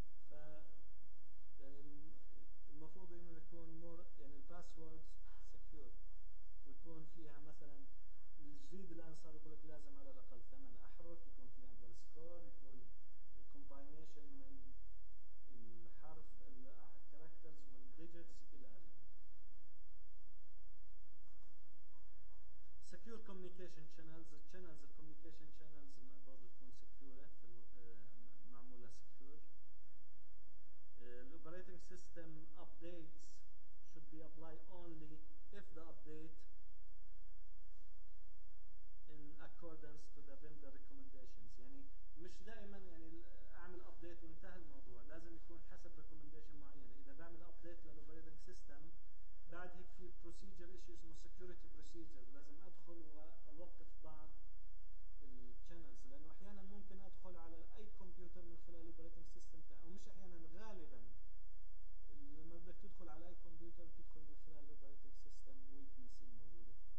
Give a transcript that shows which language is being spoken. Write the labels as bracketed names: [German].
[Arabic] ف يعني المفروض إنه يكون مور يعني الباسورد سكيور، ويكون فيها مثلا الجديد الآن صار يقول لك لازم على الأقل 8 أحرف، يكون فيها أندر سكور، يكون كومباينيشن من الحرف الكاركترز والديجيتس إلى آخره. سكيور كوميونيكيشن شانلز، الشانلز الكوميونيكيشن شانلز برضو تكون سكيورة، معمولة سكيور. [English] الأوبريتنج system updates should be applied only if the update in accordance to the vendor recommendations. [Arabic] يعني مش دائما يعني اعمل update وانتهى الموضوع، لازم يكون حسب recommendation معينة. اذا بعمل update للoperating system بعد هيك في procedure issues اسمه security procedure، لازم ادخل واوقف بعض channels، لانه احيانا ممكن ادخل على اي computer من خلال operating system تاعي، ومش احيانا غالبا لما بدك تدخل على اي computer تدخل من خلال operating system weakness الموجودة.